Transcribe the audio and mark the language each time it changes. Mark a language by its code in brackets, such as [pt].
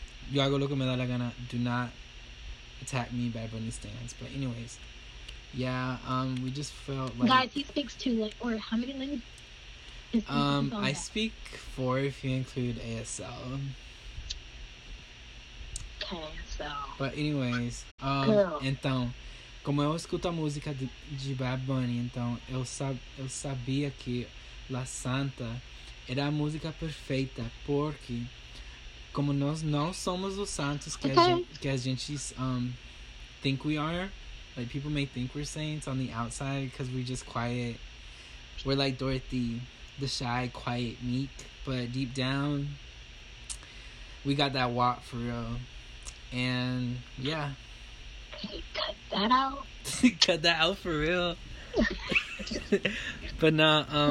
[en] Yo Hago Lo Que Me Da La Gana, do not attack me, Bad Bunny stands. But anyways, yeah, we just felt like... Guys, he speaks two, or how many languages? I speak four if you include ASL. Okay, so. But anyways, [pt] então, como eu escuto a música de Bad Bunny, então eu sabia que La Santa era a música perfeita, porque como nós não somos os santos que a gente [en] think we are, like people may think we're saints on the outside because we're just quiet. We're like Dorothy. The shy, quiet, meek, but deep down, we got that walk for real. And yeah. Hey, cut that out. Cut that out for real. But nah.